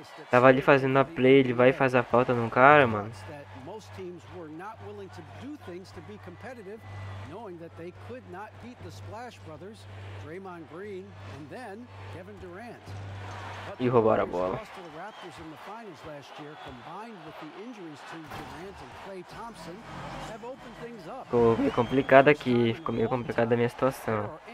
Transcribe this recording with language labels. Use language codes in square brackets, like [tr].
[pt] Tava ali fazendo a play, ele vai fazer a falta num cara, mano. [en] Most teams were not willing to do things to be competitive, knowing that they could not beat the Splash Brothers, Draymond Green, and then Kevin Durant. [pt] E roubaram a bola. [en] Lost to the Raptors in the finals last year, combined with the injuries to Durant and Klay Thompson, have opened things up. [pt] Ficou meio complicado aqui, ficou meio complicada a minha situação.